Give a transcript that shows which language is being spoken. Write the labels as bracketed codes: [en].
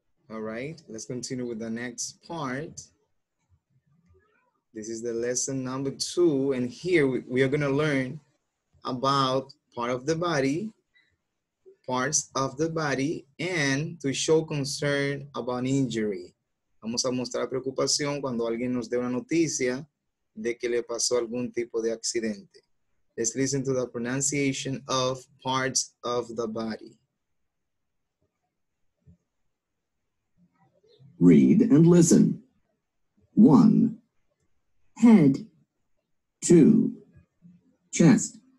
[en] All right, let's continue with the next part. This is the lesson number 2, and here we are going to learn about part of the body, parts of the body, and to show concern about injury. [es] Vamos a mostrar preocupación cuando alguien nos dé una noticia de que le pasó algún tipo de accidente. [en] Let's listen to the pronunciation of parts of the body. Read and listen. 1. Head. 2. Chest.